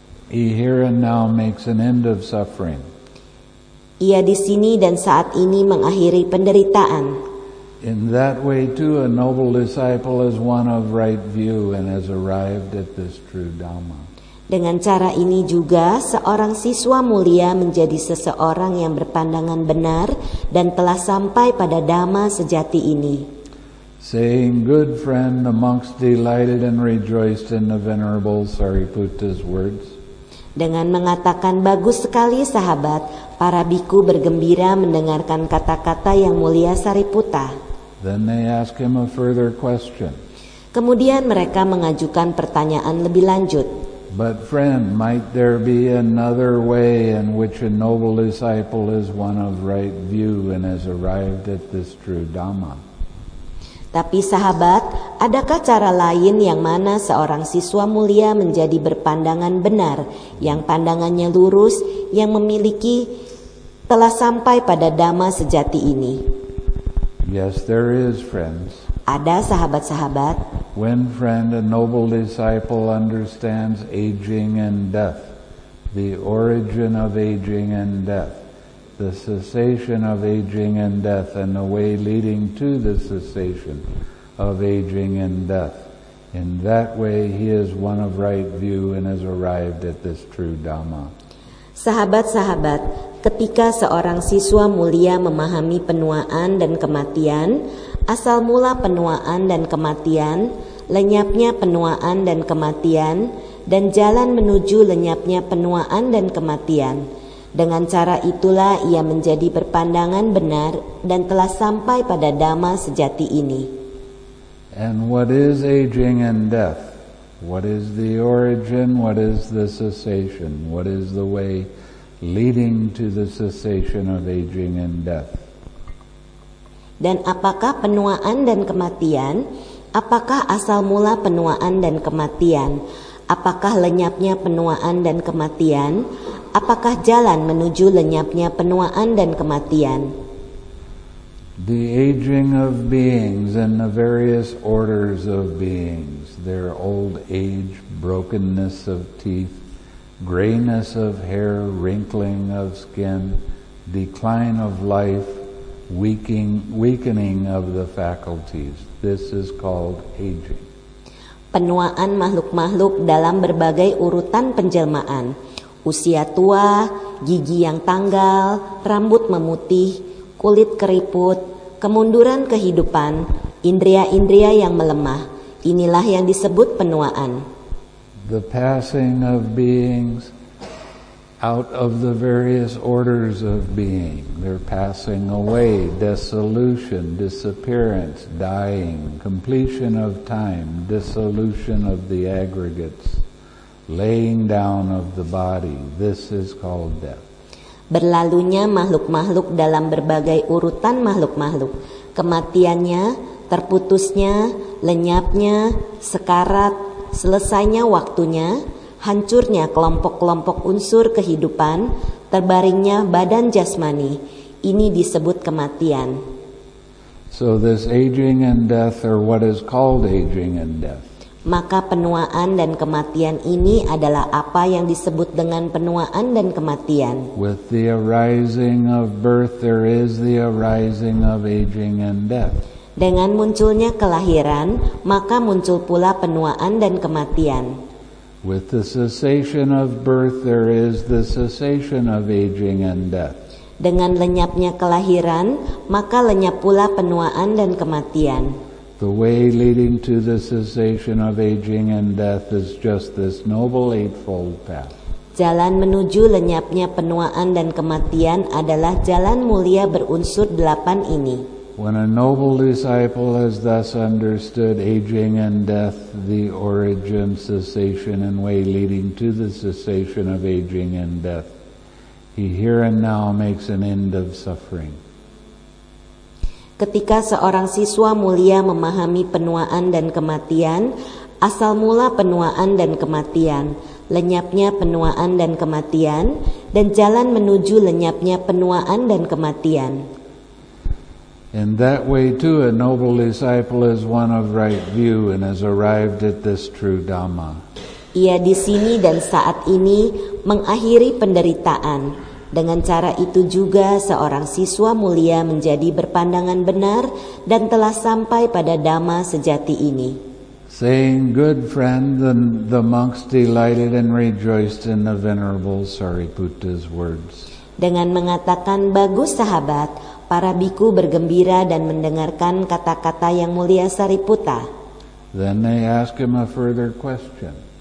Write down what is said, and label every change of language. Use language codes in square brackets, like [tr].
[en] He here and now makes an end of suffering. [id] Ia di sini dan saat ini mengakhiri penderitaan. [en] In that way too, a noble disciple is one of right view and has arrived at this true Dhamma. [id] Dengan cara ini juga, seorang siswa mulia menjadi seseorang yang berpandangan benar dan telah sampai pada Dhamma sejati ini. [en] Saying, good friend, the monks delighted and rejoiced in the venerable Sariputta's words. [id] Dengan mengatakan bagus sekali sahabat, para bhikkhu bergembira mendengarkan kata-kata yang mulia Sariputta. [en] Then they ask him a further question. [id] Kemudian mereka mengajukan pertanyaan lebih lanjut. [en] But friend, might there be another way in which a noble disciple is one of right view and has arrived at this true Dhamma? [id] Tapi sahabat, adakah cara lain yang mana seorang siswa mulia menjadi berpandangan benar, yang pandangannya lurus, yang memiliki telah sampai pada Dhamma sejati ini? [en] Yes, there is, friends. [id] Ada sahabat-sahabat. [en] When friend, a noble disciple understands aging and death, the origin of aging and death, the cessation of aging and death, and the way leading to the cessation of aging and death. In that way, he is one of right view and has arrived at this true Dhamma. [id] Sahabat-sahabat, ketika seorang siswa mulia memahami penuaan dan kematian, asal mula penuaan dan kematian, lenyapnya penuaan dan kematian, dan jalan menuju lenyapnya penuaan dan kematian. Dengan cara itulah ia menjadi berpandangan benar dan telah sampai pada dhamma sejati ini. [en] And what is aging and death? What is the origin? What is the cessation? What is the way leading to the cessation of aging and death? [id] Dan apakah penuaan dan kematian? Apakah asal mula penuaan dan kematian? Apakah lenyapnya penuaan dan kematian? Apakah jalan menuju lenyapnya penuaan dan kematian? [en] The aging of beings and the various orders of beings, their old age, brokenness of teeth, grayness of hair, wrinkling of skin, decline of life, weakening of the faculties. This is called aging. [id] Penuaan makhluk-makhluk dalam berbagai urutan penjelmaan. Usia tua, gigi yang tanggal, rambut memutih, kulit keriput, kemunduran kehidupan, indria-indria yang melemah. Inilah yang disebut penuaan. [en] The passing of beings out of the various orders of being. They're passing away, dissolution, disappearance, dying, completion of time, dissolution of the aggregates, laying down of the body. This is called death. [id] Berlalunya makhluk-makhluk dalam berbagai urutan makhluk-makhluk. Kematiannya, terputusnya, lenyapnya, sekarat, selesainya waktunya, hancurnya kelompok-kelompok unsur kehidupan, terbaringnya badan jasmani. Ini disebut kematian. [en] So this aging and death, or what is called aging and death. [id] Maka penuaan dan kematian ini adalah apa yang disebut dengan penuaan dan kematian. [en] With the arising of birth, there is the arising of aging and death. [id] Dengan munculnya kelahiran, maka muncul pula penuaan dan kematian. [en] With the cessation of birth, there is the cessation of aging and death. [id] Dengan lenyapnya kelahiran, maka lenyap pula penuaan dan kematian. [en] The way leading to the cessation of aging and death is just this noble eightfold path. [id] Jalan menuju lenyapnya penuaan dan kematian adalah jalan mulia berunsur delapan ini. [en] When a noble disciple has thus understood aging and death, the origin, cessation, and way leading to the cessation of aging and death, he here and now makes an end of suffering. [id] Ketika seorang siswa mulia memahami penuaan dan kematian, asal mula penuaan dan kematian, lenyapnya penuaan dan kematian, dan jalan menuju lenyapnya penuaan dan kematian. [en] In that way too, a noble disciple is one of right view and has arrived at this true Dhamma. [id] Ia di sini dan saat ini mengakhiri penderitaan. Dengan cara itu juga seorang siswa mulia menjadi berpandangan benar dan telah sampai pada Dhamma sejati ini. [en] Saying, good friend, the monks delighted and rejoiced in the venerable Sariputta's words. [id] Dengan mengatakan, bagus sahabat, para bhikkhu bergembira dan mendengarkan kata-kata yang mulia Sariputta. [en] Then they ask him a further question.